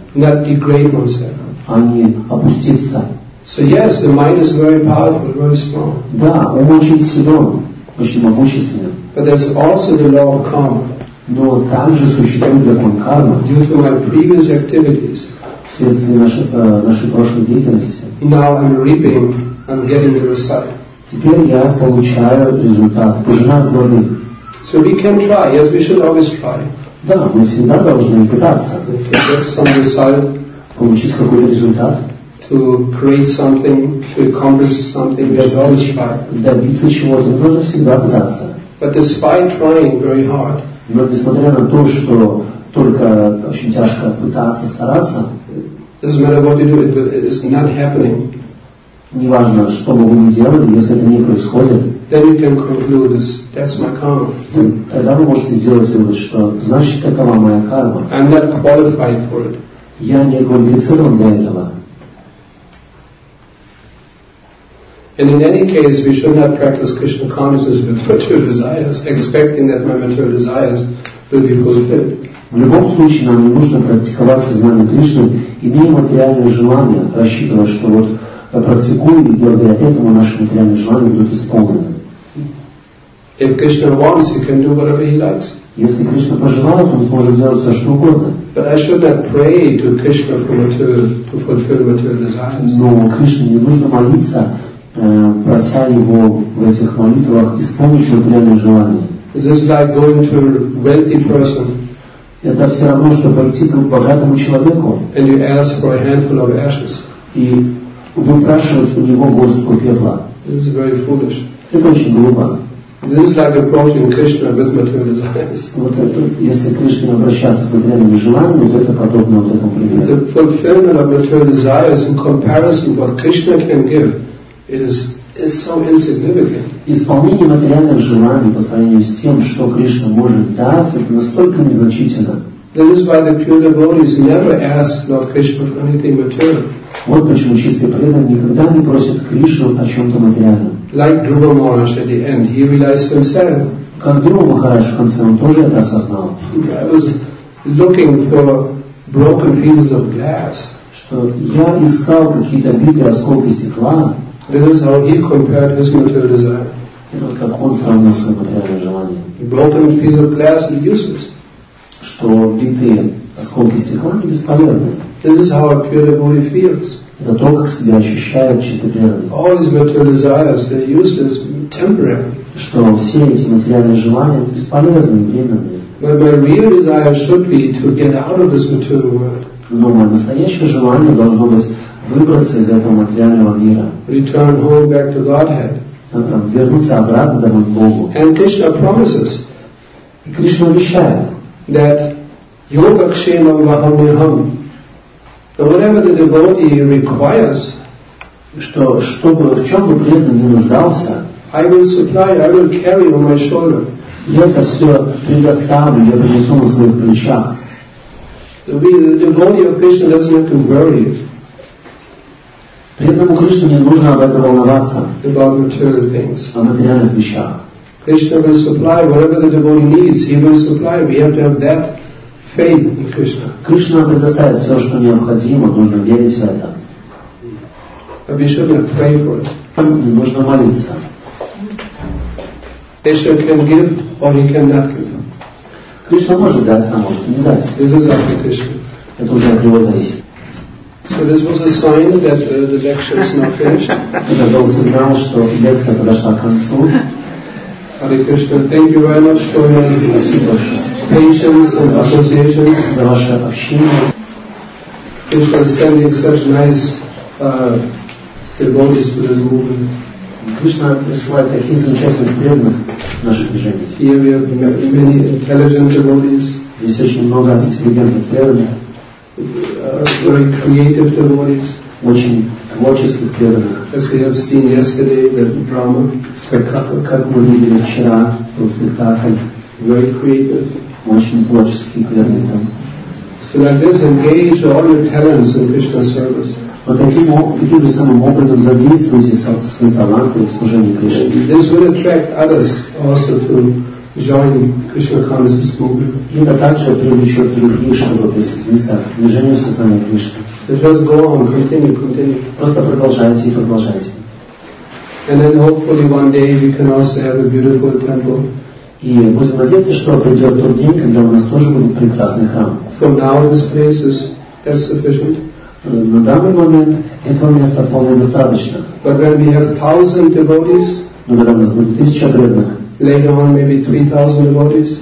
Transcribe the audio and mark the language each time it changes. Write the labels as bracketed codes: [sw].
[en] Not degrade oneself. [ru] А не опуститься. [en] So yes, the mind is very powerful, very strong. [ru] Да, ум очень силен, очень могущественен. [en] But there's also the law of karma. [ru] Но также существует закон кармы. [en] Due to my previous activities. [ru] Вследствие нашей прошлой деятельности. [en] Now I'm reaping, I'm getting the result. [ru] Теперь я получаю результат, пожинаю плоды. [en] So we can try, yes, we should always try. [ru] Да, мы всегда должны пытаться. [en] To get some result. [ru] Получить какой-то результат. [en] To create something, to accomplish something, we should always try. [ru] Добиться чего-то, мы должны всегда пытаться. [en] But despite trying very hard. [ru] Но несмотря на то, что только очень тяжко пытаться, стараться, [en] doesn't matter what you do, it is not happening. [ru] Неважно, что бы вы ни делали, если это не происходит, [en] then you can conclude this. That's my karma. [ru] Тогда вы можете сделать вывод, что значит, такова моя карма. [en] I'm not qualified for it. [ru] Я не квалифицирован для этого. [en] And in any case, we should not practice Krishna consciousness with material desires, expecting that my material desires will be fulfilled. [ru] В любом случае, нам не нужно практиковать сознание Кришны, имея материальные желания, рассчитывая, что вот практикуя и благодаря этому наши материальные желания будут исполнены. [en] If Krishna wants, he can do whatever he likes. [ru] Если Кришна пожелает, он сможет сделать все, что угодно. [en] But I should not pray to Krishna for material, to fulfill material desires. [ru] Но Кришне не нужно молиться, прося его в этих молитвах исполнить материальные желания. [en] This is like going to a wealthy person. [ru] Это все равно, что пойти к богатому человеку. [en] And you ask for a handful of ashes. [ru] И выпрашивать у него горстку пепла. [en] This is very foolish. [ru] Это очень глупо. [en] This is like approaching Krishna with material desires. [ru] Вот это, если Кришне обращаться с материальными желаниями, вот это подобно вот этому примеру. [en] The fulfillment of material desires in comparison what Krishna can give. It is so insignificant. [ru] Исполнение материальных желаний по сравнению с тем, что Кришна может дать, это настолько незначительно. [en] That is why the pure devotees never ask Lord Krishna for anything material. [ru] Вот почему чистые преданные никогда не просят Кришну о чем-то материальном. [en] Like Dhruva Maharaj at the end, he realized himself. [ru] Как Дхрува Махарадж в конце, он тоже это осознал. [en] I was looking for broken pieces of glass. [ru] Что я искал какие-то битые осколки стекла. [en] This is how he compared his material desire. [ru] он сравнился материальным желанием. [en] He broken a piece of glass is useless. [ru] Что битые осколки стекла не бесполезны. [en] This is how a pure body feels. [ru] Это то, как себя ощущает чисто преданный. [en] All these material desires, they're useless, temporary. [ru] Что все эти материальные желания бесполезны, временные. [en] My real desire should be to get out of this material world. [ru] Но мое настоящее желание должно быть выбраться из этого материального мира. [en] Return home back to Godhead. [ru] Вернуться обратно домой к Богу. [en] And Krishna promises. [ru] И Кришна обещает. [en] That [sa] yoga kshema mahamiham. [en] Whatever the devotee requires, [ru] что, чтобы, в чем бы преданный не нуждался, [en] I will supply, I will carry on my shoulder. [ru] Я это все предоставлю, я принесу на своих плечах. [en] The devotee of Krishna doesn't have to worry. [ru] Преданному Кришне не нужно об этом волноваться. [en] About material things. [ru] О материальных вещах. [en] Krishna will supply whatever the devotee needs, he will supply, we have to have that. [ru] Кришна предоставит все, что необходимо, нужно верить в это. Нужно молиться. [en] Krishna can give or he cannot give. [ru] Кришна может дать, а может не дать. [en] This is up to Krishna. [ru] Это уже от него зависит. [en] So this was a sign that the lecture is not finished. [ru] Это был сигнал, что лекция подошла к концу. [en] Hare Krishna, thank you very much for your patience and association. [ru] За ваше общение. [en] Krishna is sending such nice devotees to this movement. [ru] Krishna присылает таких замечательных преданных наших движений. [en] Here we have many intelligent devotees. [ru] Здесь очень много интеллигентных преданных. [en] Very creative devotees. [ru] Очень творческих преданных. [en] As we have seen yesterday, the drama spectacle. [ru] Как мы видели вчера, был спектакль. [en] Very creative. [ru] Очень творческие преданные там. [en] So like this, engage all your talents in Krishna service. [ru] Вот таким же самым образом задействуйте свои таланты в служении Кришне. [en] This will attract others also to join Krishna consciousness movement. [ru] Это также привлечет других, чтобы присоединиться к движению сознания Кришны. [en] Just go on, continue, continue. [ru] Просто продолжайте и продолжайте. [en] And then hopefully one day we can also have a beautiful temple. [ru] И будем надеяться, что придет тот день, когда у нас тоже будет прекрасный храм. [en] For now this place is as sufficient. [ru] На данный момент этого места вполне достаточно. [en] But when we have 1,000 devotees. [ru] Но когда у нас будет 1,000 преданных. [en] Later on maybe 3,000 devotees.